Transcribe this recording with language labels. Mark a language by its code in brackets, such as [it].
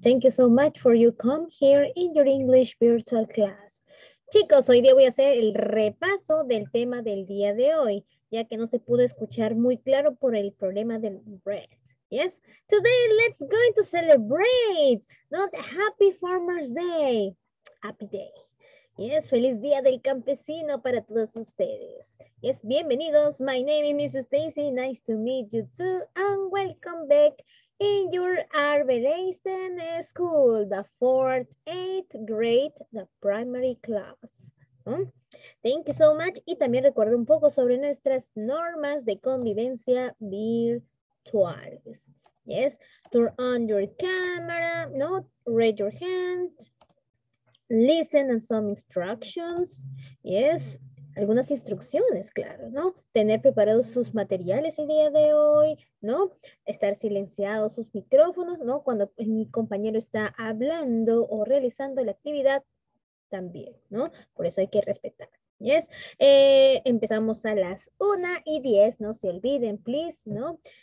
[en] Thank you so much for you come here in your English virtual class. [es] Chicos, hoy día voy a hacer el repaso del tema del día de hoy, ya que no se pudo escuchar muy claro por el problema del red. [en] Yes? Today, let's going to celebrate. Not Happy Farmer's Day. Happy Day. [es] Yes, feliz día del campesino para todos ustedes. Yes, bienvenidos. [en] My name is Mrs. Stacy. Nice to meet you too. And welcome back in your Arbelaisten school, the 4th-8th grade, the primary class. Thank you so much. [es] Y también recuerda un poco sobre nuestras normas de convivencia virtuales. [en] Yes, turn on your camera, no, raise your hand, listen and some instructions. [es] Yes, algunas instrucciones, claro, ¿no? Tener preparados sus materiales el día de hoy, ¿no? Estar silenciados sus micrófonos, ¿no? Cuando mi compañero está hablando o realizando la actividad también, ¿no? Por eso hay que respetar. Yes. Empezamos a las 1:10, no se olviden, please, ¿no?